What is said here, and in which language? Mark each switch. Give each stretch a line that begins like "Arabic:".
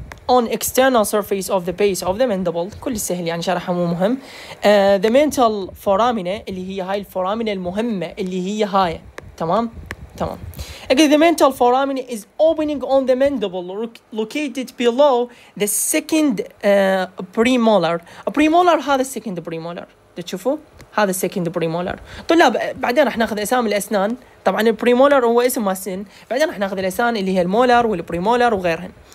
English: On external surface of the base of the mandible.
Arabic: كل سهل يعني شرحه مو مهم. The mental foramen اللي هي هاي الفورامينا المهمة اللي هي هاي. تمام. تمام.
English: Again, the mental foramen is opening on the mandible located below the second premolar. Premolar هذا second premolar.
Arabic: تشوفوا هذا second premolar. طلاب بعدين رح ناخذ اسامي الاسنان. طبعا البريمولر هو اسم سن، بعدين رح ناخذ الاسنان اللي هي المولر والبريمولر وغيرهن.